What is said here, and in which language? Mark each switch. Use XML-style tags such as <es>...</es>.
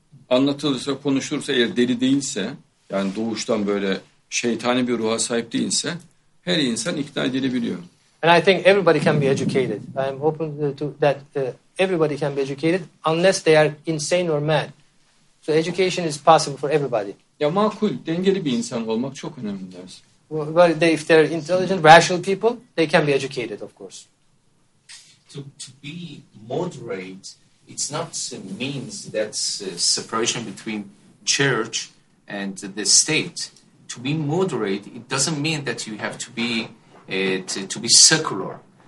<tr>Anlatılırsa, konuşursa, eğer deli değilse, yani doğuştan böyle şeytani bir ruha sahip değilse, her insan ikna edilebiliyor.</tr> <en>And I think everybody can be educated. I am open to that everybody can be educated unless they are insane or mad. So education is possible for everybody.</en> <tr>Ya makul, dengeli bir insan olmak çok önemli dersin.</tr> <en>Well, they, if they are intelligent, rational people, they can be educated, of course. To be moderate, it's not a means that's a separation between church and the state. To be moderate, it doesn't mean that you have to be to be secular.</en>